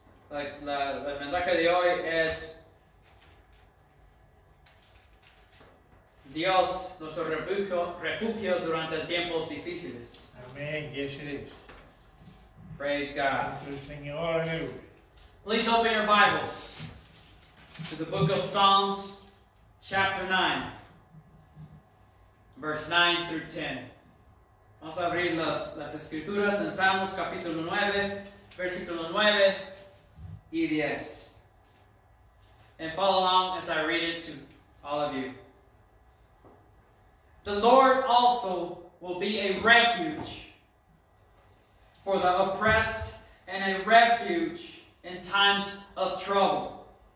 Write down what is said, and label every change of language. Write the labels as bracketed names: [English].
[Spanish] El mensaje de hoy es Dios, nuestro refugio durante tiempos difíciles. [English] Amen. Yes, it is. Praise God. [Spanish] Señor. [English] Please open your Bibles to the book of Psalms, chapter 9, verse 9 through 10. [Spanish] Vamos a abrir las escrituras en Salmos, capítulo 9, versículo 9 y 10. [English] And follow along as I read it to all of you. The Lord also will be a refuge for the oppressed and a refuge in times of trouble.